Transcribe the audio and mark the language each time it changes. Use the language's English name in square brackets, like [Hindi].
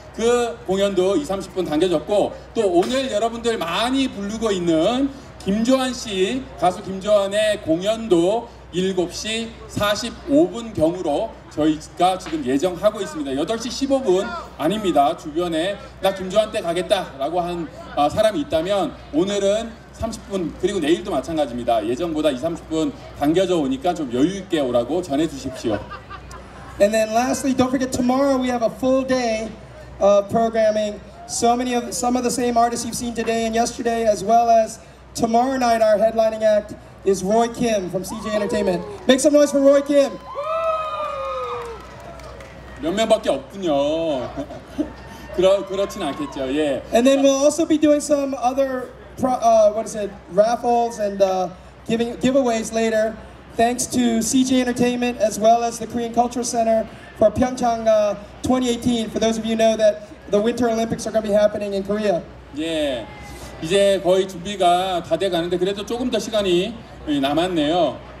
[Korean] 그 공연도 20, 30분 당겨졌고 또 오늘 여러분들 많이 부르고 있는 김조한 씨 가수 김조한의 공연도 7시 45분 경으로 저희가 지금 예정하고 있습니다. 8시 15분 아닙니다. 주변에 나 김조한 때 가겠다 라고 한 사람이 있다면 오늘은 30분 그리고 내일도 마찬가지입니다. 예정보다 20, 30분 당겨져 오니까 좀 여유 있게 오라고 전해 주십시오. [English] And then lastly, don't forget tomorrow we have a full day of programming. Some of the same artists you've seen today and yesterday as well as tomorrow night our headlining act is Roy Kim from CJ Entertainment. Make some noise for Roy Kim. [Korean] 몇 명밖에 없군요. 그렇진 않겠죠. 예. [English] And then we'll also be doing some other raffles and giveaways later. Thanks to CJ Entertainment as well as the Korean Cultural Center for Pyeongchang 2018. For those of you who know that the Winter Olympics are going to be happening in Korea. [Korean] Yeah, 이제 거의 준비가 다 돼 가는데 그래도 조금 더 시간이 남았네요.